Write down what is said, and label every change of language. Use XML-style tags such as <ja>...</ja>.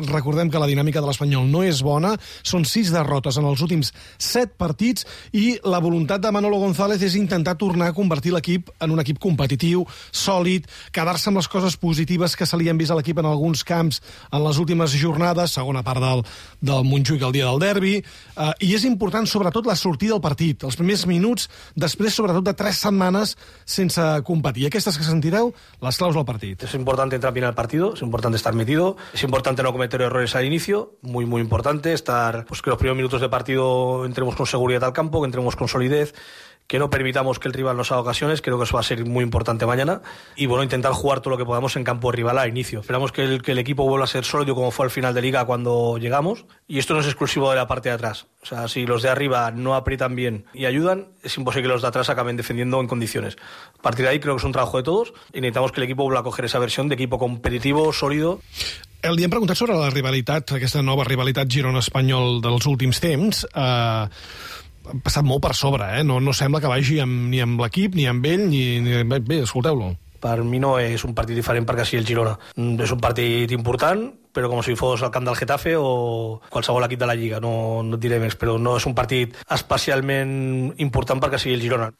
<ca>Recordem que la dinàmica de l'Espanyol no és bona. Són 6 derrotes en els últims 7 partits i la voluntat de Manolo González és intentar tornar a convertir l'equip en un equip competitiu, sòlid, quedar-se amb les coses positives que se li han vist l'equip en alguns camps en les últimes jornades, segona part del Montjuïc el dia del derbi, i és important sobretot la sortida del partit, els primers minuts, després sobretot de 3 setmanes sense competir. Aquestes que sentireu, les claus del partit.</ca> <es>És important entrar bien al partido, és important estar metido, és important no cometer errores al inicio, muy, muy importante estar, pues que los primeros minutos de partido entremos con seguridad al campo, que entremos con solidez, que no permitamos que el rival nos haga ocasiones, creo que eso va a ser muy importante mañana, y bueno, intentar jugar todo lo que podamos en campo rival al inicio. Esperamos que el equipo vuelva a ser sólido como fue al final de liga cuando llegamos, y esto no es exclusivo de la parte de atrás. O sea, si los de arriba no aprietan bien y ayudan, es imposible que los de atrás acaben defendiendo en condiciones. A partir de ahí creo que es un trabajo de todos, y necesitamos que el equipo vuelva a coger esa versión de equipo competitivo, sólido.</es> <ca>Li hem preguntat sobre la rivalitat, aquesta nova rivalitat Girona-Espanyol dels últims temps. Ha passat molt per sobre, eh? No sembla que vagi ni amb l'equip, ni amb ell, ni... Bé, escolteu-lo. Per mi no és un partit diferent perquè sigui el Girona. És un partit important, però com si fos el camp del Getafe o qualsevol equip de la Lliga, no et diré més, però no és un partit especialment important perquè sigui el Girona.</ca>